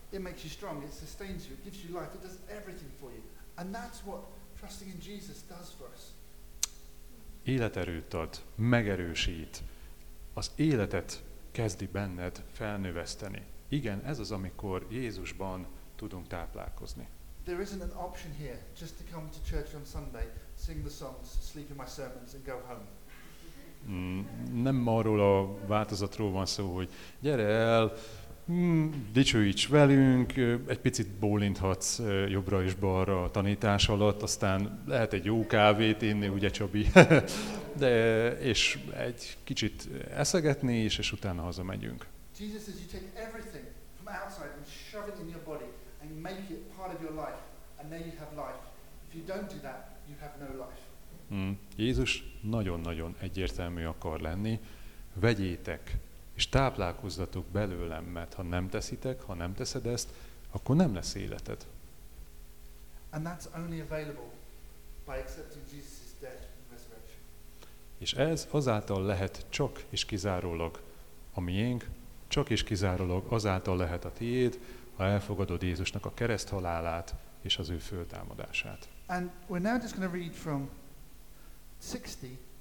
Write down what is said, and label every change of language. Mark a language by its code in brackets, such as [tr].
[en] It makes you strong, it sustains you, it gives you life, it does everything for you. And that's what trusting in Jesus does for us. [hu] életerőt ad, megerősít, az életet kezdi benned felnöveszteni. Igen, ez az, amikor Jézusban tudunk táplálkozni. [en] There isn't an option here just to come to church on Sunday, sing the songs, sleep in my sermons and go home. [hu] Nem arról a változatról van szó, hogy gyere el, dicsőíts velünk, egy picit bólinthatsz jobbra és balra a tanítás alatt, aztán lehet egy jó kávét inni, ugye Csabi, de, és egy kicsit eszegetni is, és utána hazamegyünk. [en] Jesus says you take everything from outside and shove it in your body and make it part of your life, and then you have life. If you don't do that, you have no life. [hu] Jézus nagyon-nagyon egyértelmű akar lenni. Vegyétek és táplálkozzatok belőlem, mert ha nem teszitek, ha nem teszed ezt, akkor nem lesz életed. [en] And that's only available by accepting Jesus' death and resurrection. [hu] És ez azáltal lehet csak és kizárólag a miénk, csak és kizárólag azáltal lehet a tiéd, ha elfogadod Jézusnak a kereszthalálát és az ő föltámadását. [en] And we're now just going to read from 60-69.